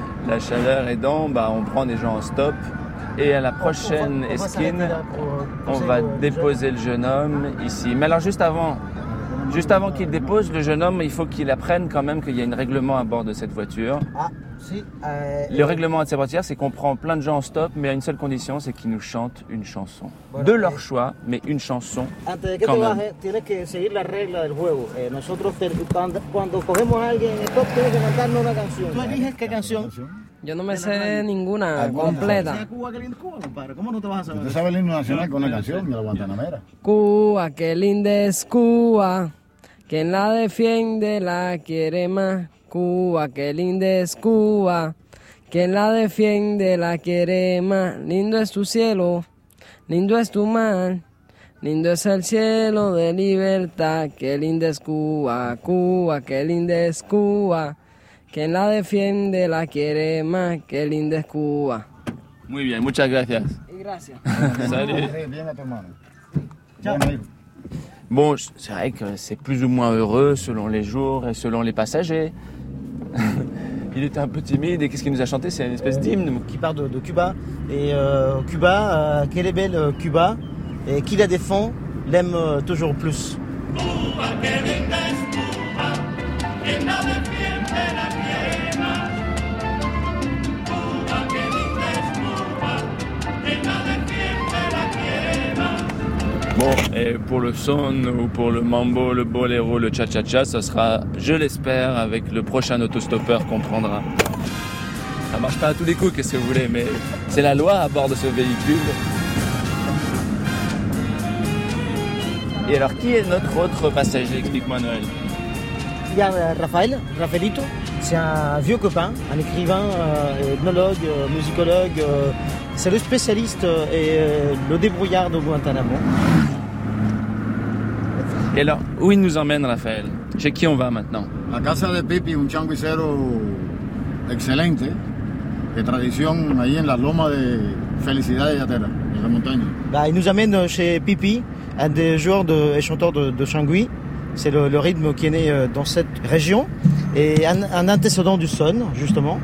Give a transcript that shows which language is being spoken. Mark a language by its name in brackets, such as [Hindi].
[French] La chaleur aidant, bah, on prend des gens en stop. Et à la prochaine esquine, on va déposer le jeune homme ici. Mais alors juste avant qu'il dépose le jeune homme, il faut qu'il apprenne quand même qu'il y a un règlement à bord de cette voiture. Le règlement à cette voiture, c'est qu'on prend plein de gens en stop, mais à une seule condition, c'est qu'ils nous chantent une chanson. Voilà, de leur choix, mais une chanson. [Spanish] Antes de que quand te bajes, tienes que seguir la regla del juego. Nosotros, cuando cogemos a alguien en stop, tienes que cantarnos una canción. ¿Tú eliges qué canción? Yo no me sé ninguna completa. ¿Sabes Cuba, qué lindo Cuba, compadre? ¿Cómo no te vas a saber? ¿Usted sabe el himno nacional con una canción de la Guantanamera? Cuba, qué linda es Cuba. Quien la defiende la quiere más. Cuba, qué linda es Cuba. Quien la defiende la quiere más. Lindo es tu cielo, lindo es tu mar. Lindo es el cielo de libertad. Qué linda es Cuba, Cuba, qué linda es Cuba. Quien la defiende la quiere más. Qué linda es Cuba. Muy bien, muchas gracias. Y gracias. Salud. Bien a tu mano. Chao. [French] Bon, c'est vrai que c'est plus ou moins heureux selon les jours et selon les passagers. Il était un peu timide et qu'est-ce qu'il nous a chanté? C'est une espèce d'hymne. Qui part de Cuba. Et Cuba, quelle est belle Cuba. Et qui la défend l'aime toujours plus. [Spanish] Cuba, que linda es Cuba. Quien la defiende la quiere más. Cuba, que linda es Cuba. Quien la defiende la quiere más. [French] Bon, et pour le son ou pour le mambo, le boléro, le cha-cha-cha, ça sera, je l'espère, avec le prochain autostoppeur qu'on prendra. Ça marche pas à tous les coups, qu'est-ce que vous voulez, mais c'est la loi à bord de ce véhicule. Et alors, qui est notre autre passager? Explique-moi, Noël. Il y a Rafaelito, c'est un vieux copain, un écrivain, ethnologue, musicologue. C'est le spécialiste et le débrouillard de Guantanamo. Et alors, où il nous emmène, Raphaël? Chez qui on va maintenant? [Spanish] La casa de Pipi, un changuicero excelente, [French] de tradition, [Spanish] ahí en la loma de Felicidad de Yatera, [French] en la montagne. Bah, il nous amène chez Pipi, un des joueurs de, et chanteurs de Changui. C'est le rythme qui est né dans cette région. Et un antécédent du son, justement.